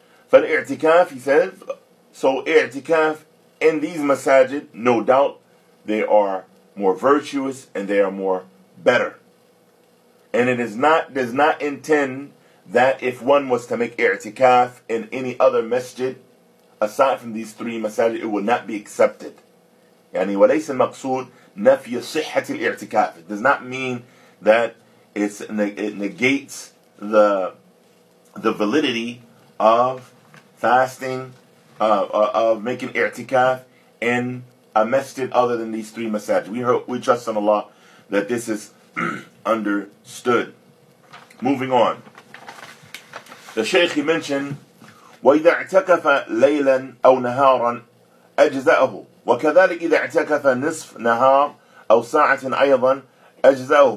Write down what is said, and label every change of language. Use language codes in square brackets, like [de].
[en] فَالْإِعْتِكَافِ, he said, so i'tikaf in these masajid, no doubt, they are more virtuous, and they are more better. And it is not does not intend that if one was to make i'tikaf in any other masjid, aside from these three masajid, it would not be accepted. [ar] يعني وليس المقصود نفي صحة الاعتكاف. [en] It does not mean that it negates the validity of fasting, of making i'tikaf in a masjid other than these three masajid. We trust in Allah that this is understood. Moving on. The Shaykh, he mentioned, [ar] وَإِذَا اعْتَكَفَ لَيْلًا أَوْ نَهَارًا أَجْزَأَهُ. وكذلك إذا اعتكف نصف نهار أو ساعة أيضا أجزأه.